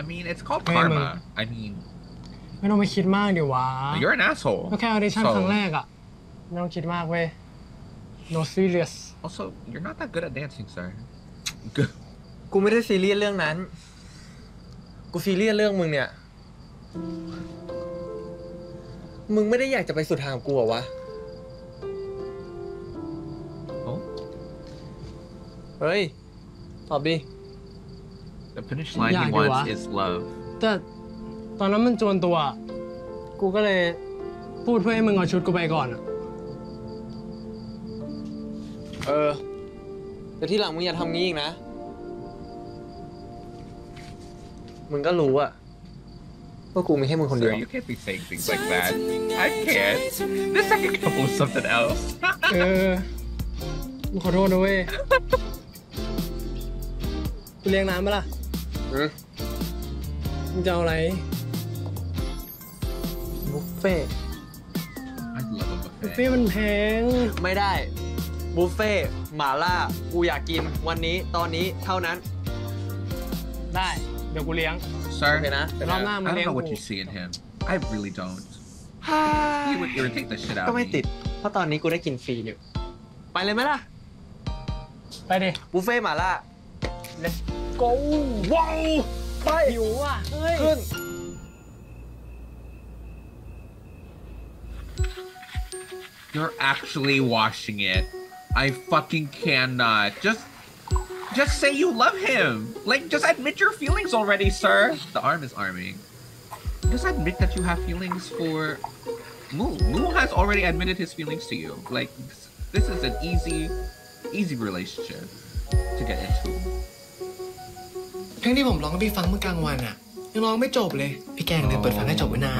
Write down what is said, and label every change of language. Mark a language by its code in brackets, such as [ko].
[en] It's called karma. I mean, [th] ไม่ต้องไปคิดมากดิวะ [en] You're an asshole. [th] แค่ audition ครั้งแรกอะไม่ต้องคิดมากเว้ย [en] No serious. Also, you're not that good at dancing, sir. [th] กูไม่ได้ซีเรียสเรื่องนั้นกูซีเรียสเรื่องมึงเนี่ยมึงไม่ได้อยากจะไปสุดทางกูหรอวะ โอ้ เฮ้ยตอบดิ [en] The finish line he wants is love. [th] แต่ตอนนั้นมันจวนตัวกูก็เลยพูดเพื่อให้มึงเอาชุดกูไปก่อน เออแต่ที่หลังมึงอย่าทำงี้อีกนะ มึงก็รู้อะ ว่ากูมีให้มึงคนเดียว [en] so you can't be saying things like that I can't this second couple is something else [th] มึงขอโทษนะเว้ยกูเลี้ยงน้ำไหมล่ะมึงจะเอาอะไร บุฟเฟ่ บุฟเฟ่มันแพง ไม่ได้บุฟเฟ่หมาล่ากูอยากกินวันนี้ตอนนี้เท่านั้น ได้เดี๋ยวกูเลี้ยง [en] Sir [th] โอเคนะ รอบหน้ามึงเลี้ยงกู [en] I don't know what you see in him I really don't He would irritate the shit out [th] ก็ไม่ติดเพราะตอนนี้กูได้กินฟรีอยู่ไปเลยไหมล่ะ ไปดิ บุฟเฟ่หมาล่า [en] Let's go [th] ว้าวไป หิวอ่ะ เฮ้ยขึ้น [en] You're actually washing it. I fucking cannot. Just say you love him. Like, just admit your feelings already, sir. The arm is arming. Just admit that you have feelings for... Mu has already admitted his feelings to you. Like, this is an easy, easy relationship to get into. [th] เพลงที่ผมร้องให้พี่ฟังเมื่อกลางวันอะยังร้องไม่จบเลยพี่แกงเลยเปิดฟังให้จบไว้นะ